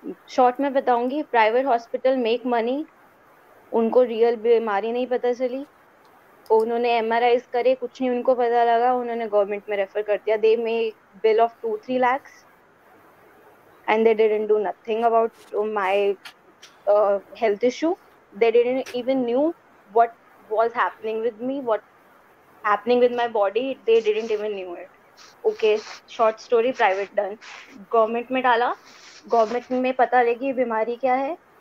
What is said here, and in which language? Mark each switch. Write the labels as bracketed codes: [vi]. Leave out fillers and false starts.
[hi] Short में बताऊंगी, [en] private hospital make money, [hi] उनको रियल बीमारी नहीं पता चली, उन्होंने MRIs करे, कुछ नहीं उनको पता लगा, उन्होंने गवर्नमेंट में रेफर कर दिया. [en] They make bill of 2-3 lakhs and they didn't do nothing about my health issue. They didn't even knew what was happening with me, what happening with my body, they didn't even knew it. Okay, short story, private done. [hi] Government में डाला, government में पता लगी बीमारी क्या है.